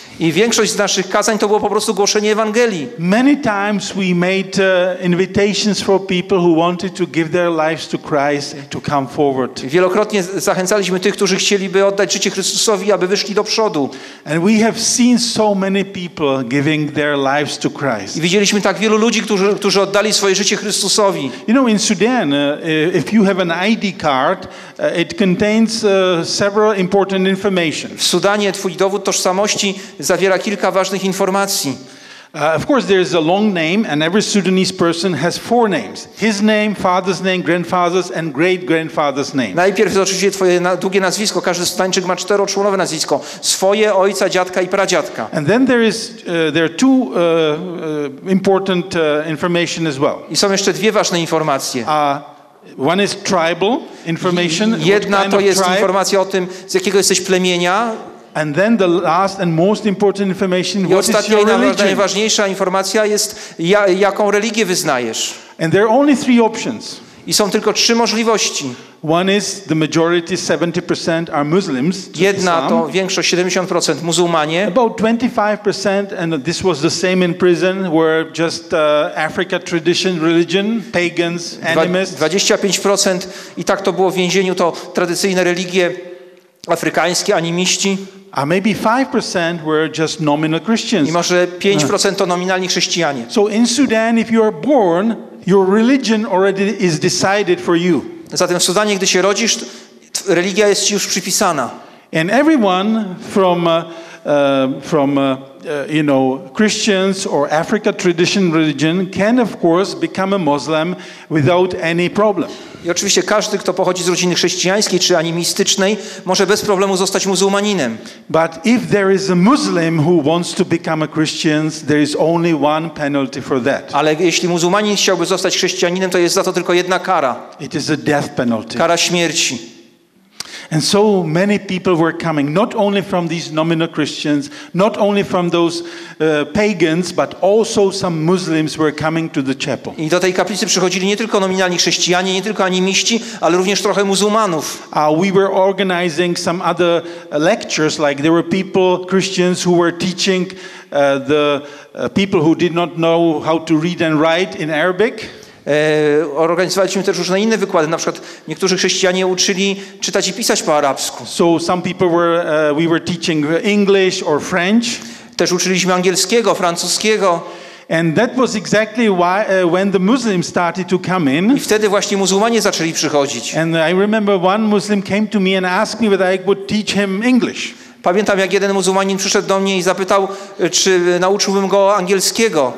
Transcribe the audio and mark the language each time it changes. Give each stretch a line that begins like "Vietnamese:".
Polish: I większość z naszych kazań to było po prostu głoszenie Ewangelii.
English: Many times we made invitations for people who wanted to give their lives to Christ to come forward.
Polish: Wielokrotnie zachęcaliśmy tych, którzy chcieliby oddać życie Chrystusowi, aby wyszli do przodu.
English: And we have seen so many people giving their lives to Christ.
Polish: I widzieliśmy tak wielu ludzi, którzy oddali swoje życie Chrystusowi.
English: You know, in Sudan, if you have an ID card, it contains several important information.
Polish: W Sudanie twój dowód tożsamości zawiera kilka ważnych informacji.
English: Of course there is a long name and every Sudanese person has four names. His name, father's name, grandfather's and great-grandfather's name.
Polish: Najpierw oczywiście twoje długie nazwisko. Każdy Sudańczyk ma czteroczłonowe nazwisko. Swoje, ojca, dziadka i pradziadka.
English: And then there are two important information as well.
Polish: I są jeszcze dwie ważne informacje.
English: One is tribal information.
Polish: Jedna to jest informacja o tym, z jakiego jesteś plemienia.
English: And then the last and most important information, what is your religion?
Polish: Najważniejsza informacja jest, jaką religię wyznajesz.
English: And there are only three options.
Polish: I są tylko trzy możliwości.
English: One is the majority, 70% are Muslims.
Polish: Jedna to większość, 70% muzułmanie.
English: About 25%, and this was the same in prison, were just Africa tradition religion, pagans, animists.
Polish: 25% i tak to było w więzieniu, to tradycyjne religie afrykańskie, animiści.
English: A maybe 5% were just nominal Christians.
Polish: I może 5% to nominalni chrześcijanie.
English: So in Sudan, if you are born, your religion already is decided for you.
Polish: Zatem w Sudanie, gdy się rodzisz, religia jest ci już przypisana.
English: And everyone from Christians or Africa tradition religion can of course become a Muslim without any problem.
Polish: I oczywiście każdy, kto pochodzi z rodziny chrześcijańskiej czy animistycznej, może bez problemu zostać muzułmaninem.
English: But if there is a Muslim who wants to become a Christian, there is only one penalty for that.
Polish: Ale jeśli muzułmanin chciałby zostać chrześcijaninem, to jest za to tylko jedna kara.
English: It is a death penalty.
Polish: Kara śmierci.
English: And so many people were coming, not only from these nominal Christians, not only from those pagans, but also some Muslims were coming to the chapel.
Polish: I do tej kaplicy przychodzili nie tylko nominalni chrześcijanie, nie tylko animiści, ale również trochę muzułmanów.
English: We were organizing some other lectures, like there were people, Christians, who were teaching the people who did not know how to read and write in Arabic.
Polish: Organizowaliśmy też różne inne wykłady, na przykład niektórzy chrześcijanie uczyli czytać i pisać po arabsku.
English: So some people were we were teaching English or French.
Polish: Też uczyliśmy angielskiego, francuskiego.
English: And that was exactly why when the Muslims started to come in.
Polish: I wtedy właśnie muzułmanie zaczęli przychodzić.
English: And I remember one Muslim came to me and asked me whether I would teach him English.
Polish: Pamiętam, jak jeden muzułmanin przyszedł do mnie i zapytał, czy nauczyłbym go angielskiego.